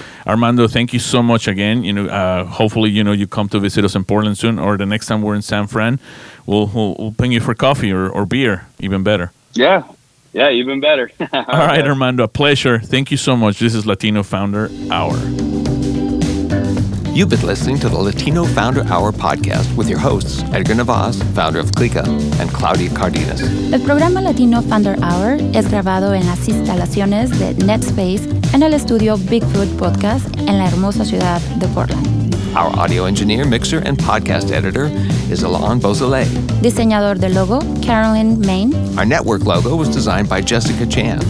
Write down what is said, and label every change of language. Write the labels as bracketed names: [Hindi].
[English] Armando, thank you so much again. You know, hopefully, you know, you come to visit us in Portland soon, or the next time we're in San Fran, we'll ping you for coffee or beer, even better. Yeah. Yeah, even better. All right, Armando, a pleasure. Thank you so much. This is Latino Founder Hour. You've been listening to the Latino Founder Hour podcast with your hosts, Edgar Navas, founder of Clica, and Claudia Cardenas. [Spanish] El programa Latino Founder Hour es grabado en las instalaciones de NetSpace en el estudio Bigfoot Podcast en la hermosa ciudad de Portland. [English] Our audio engineer, mixer, and podcast editor is Alain Beausoleil. [Spanish] Diseñador de logo, Carolyn Main. [English] Our network logo was designed by Jessica Chan.